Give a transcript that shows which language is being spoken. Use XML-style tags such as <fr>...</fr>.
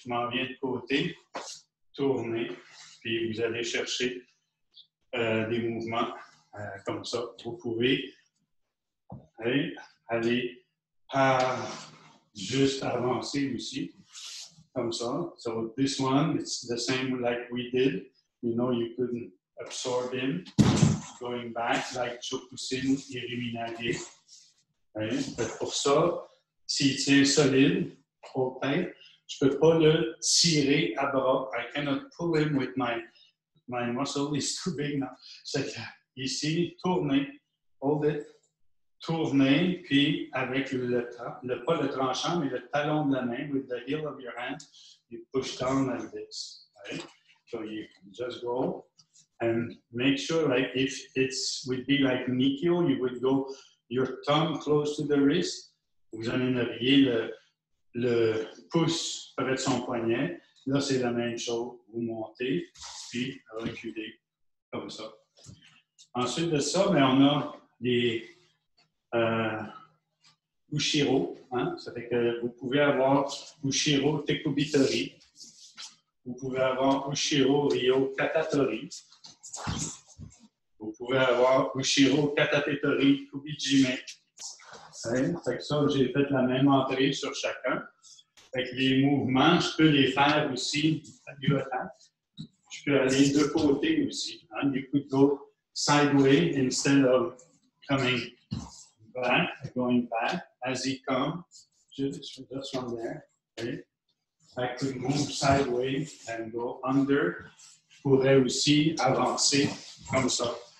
<fr>Je m'en viens de côté, tourner, puis vous allez chercher des mouvements comme ça. Vous pouvez aller juste avancer aussi, comme ça.</fr> <en>So, this one, it's the same like we did. You know, you couldn't absorb in, going back, like Chokusin Iriminage. Right?</en> <fr>Pour ça, s'il tient solide, trop tight, je ne peux pas le tirer à bras.</fr> <en>I cannot pull him with my muscle is too big now.</en> <fr>C'est que ici, tourner,</fr> <en>hold it,</en> <fr>tourner, puis avec le tranchant, mais le talon de la main,</fr> <en>with the heel of your hand,</en> <fr>you push down like this. Right?</fr> <en>So you just go and make sure, like, if it would be like Nikio, you would go your thumb close to the wrist.</en> <fr>Vous en aimeriez le pouce près de son poignet. Là, c'est la même chose. Vous montez, puis reculez comme ça. Ensuite de ça, bien, on a des Ushiro. Hein? Ça fait que vous pouvez avoir Ushiro Tekubitori. Vous pouvez avoir Ushiro Ryo Katatori. Vous pouvez avoir Ushiro Katatetori Kubijime. Ça fait que ça, j'ai fait la même entrée sur chacun. Fait que les mouvements, je peux les faire aussi du attaque. Je peux aller de côté aussi. Hein?</fr> <en>You could go sideways instead of coming back, going back, as he comes. Just from there. Okay? I could move sideways and go under.</en> <fr>Je pourrais aussi avancer comme ça.</fr>